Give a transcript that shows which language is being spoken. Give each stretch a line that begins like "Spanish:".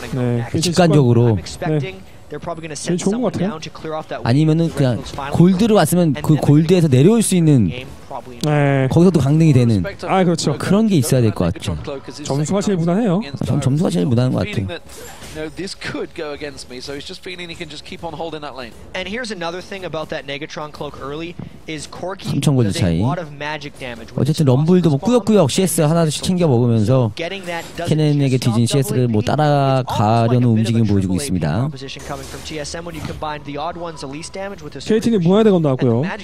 Korean: 네. 직관적으로 네. 제일 좋은 것 같아요. 아니면은 그냥 골드로 왔으면 그 골드에서 내려올 수 있는 네. 거기서도 강등이 되는 아 그렇죠. 그런 게 있어야 될 것 같죠. 점수가 제일 무난해요. 전 점수가 제일 무난한 것 같아요.
English: No, this could go against me, so he's just feeling he can just keep on holding that lane. And here's another thing about that Negatron cloak early is Corki does a lot of magic damage.
Korean: 어쨌든 럼블도 뭐 꾸역꾸역 CS 하나씩 챙겨 먹으면서 캐넨에게 뒤진 CS를 뭐 따라가려는 움직임 보여주고 있습니다. KT는 무한 대건 나왔고요.